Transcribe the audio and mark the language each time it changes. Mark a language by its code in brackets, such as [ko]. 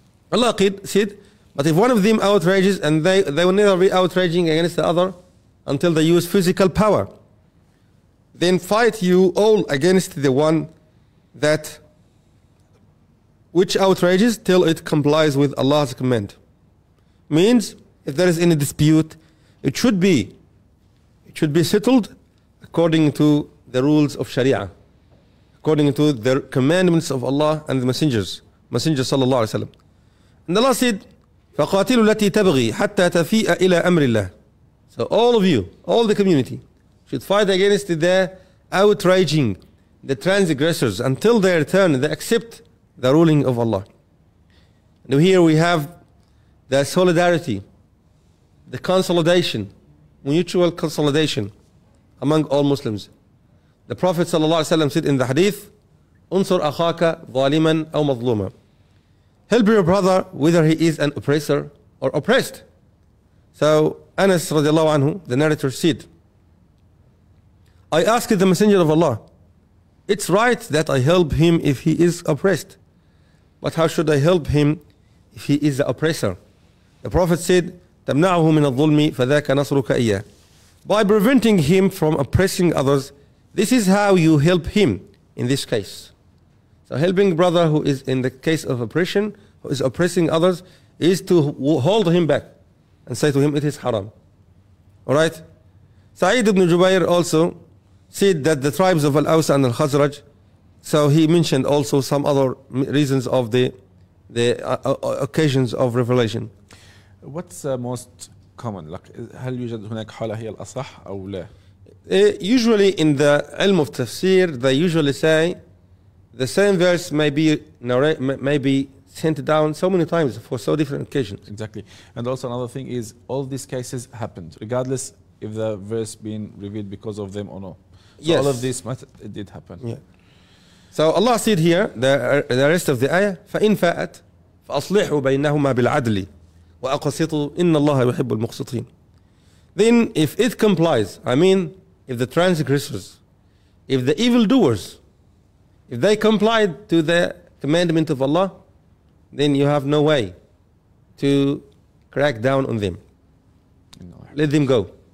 [en] Allah Qid said, but if one of them outrages, and they will never be outraging against the other until they use physical power, then fight you all against the one that which outrages till it complies with Allah's command. Means, if there is any dispute, it should be settled according to the rules of Sharia, according to the commandments of Allah and the messengers, Messenger sallallahu alayhi wa sallam. And Allah said, [ar] فَقَاتِلُوا الَّتِي تَبْغِي حَتَّى تَفِيءَ إِلَىٰ أَمْرِ اللَّهِ. [en] So all of you, all the community, should fight against the outraging, the transgressors, until their turn, they accept the ruling of Allah. And here we have the solidarity, the consolidation, mutual consolidation among all Muslims. The Prophet ﷺ said in the hadith, [ar] أُنصُرْ أَخَاكَ ظَالِمًا أَوْ مَظْلُومًا. [en] Help your brother, whether he is an oppressor or oppressed. So Anas radiallahu anhu, the narrator, said, I asked the Messenger of Allah, it's right that I help him if he is oppressed, but how should I help him if he is the oppressor? The Prophet said, [ar] تَمْنَعُهُ مِنَ الظُّلْمِ فَذَاكَ نَصْرُكَ إِيَّهِ. [en] By preventing him from oppressing others, this is how you help him in this case. So helping brother who is in the case of oppression, who is oppressing others, is to hold him back and say to him, it is haram. All right? Sa'id ibn Jubayr also said that the tribes of Al-Aws and Al-Khazraj, so he mentioned also some other reasons of the occasions of revelation. What's the most common? [ar] هل يوجد هناك حالة هي الأصح أو لا? [en] Usually in the ilm of tafsir, they usually say the same verse may be sent down so many times for so different occasions. Exactly. And also another thing is all these cases happened, regardless if the verse been revealed because of them or no. So yes. All of this it did happen. Yeah. So Allah said here, the rest of the ayah, [ar] فَإِن فَأَتْ فَأَصْلِحُوا بَيْنَهُمَا بِالْعَدْلِ وَأَقَسِطُوا إِنَّ اللَّهَ يُحِبُّ الْمُقْسِطِينَ. [en] Then if it complies, I mean, if the transgressors, if the evildoers, if they complied to the commandment of Allah, then you have no way to crack down on them. No. Let them go.